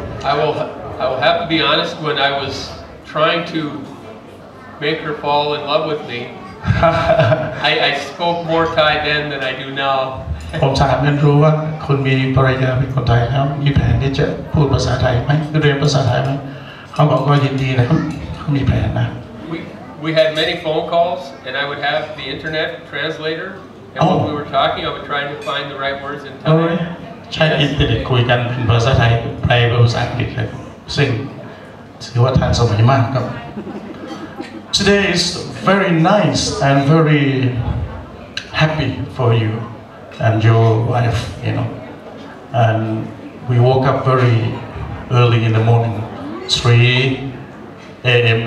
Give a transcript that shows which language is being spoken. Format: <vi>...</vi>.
<en>I will have to be honest, when I was trying to make her fall in love with me, I spoke more Thai then than I do now.</en> <th>ผมถามแอนดรูว่าคุณมีภรรยาเป็นคนไทยแล้วมีแผนที่จะพูดภาษาไทยไหมเรียนภาษาไทยไหมเขาบอกก็ยินดีนะครับเขามีแผนนะ</th> <en>We had many phone calls and I would have the internet translator and when we were talking I would try to find the right words in Thai</en> <th>ใช้อินเทอร์เน็ตคุยกันเป็นภาษาไทยแปลเป็นภาษาอังกฤษเลยซึ่งถือว่าทันสมัยมากครับ</th> <en>Today is very nice and very happy for youAnd your wife, you know, and we woke up very early in the morning, 3 a.m.</en>